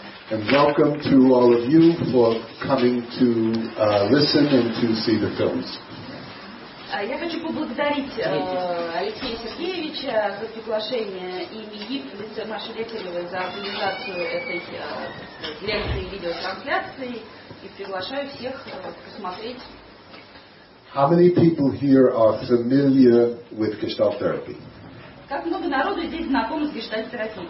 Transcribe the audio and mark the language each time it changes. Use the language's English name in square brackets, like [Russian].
[English] And welcome to all of you for coming to listen and to see the films. [Russian] Я хочу поблагодарить Алексея Сергеевича за приглашение и МИИП Маши Лекаревой за организацию этой лекции и видеотрансляции и приглашаю всех посмотреть. [English] How many people here are familiar with gestalt therapy? [Russian] Как много народу здесь знакомы с гештальт-терапией?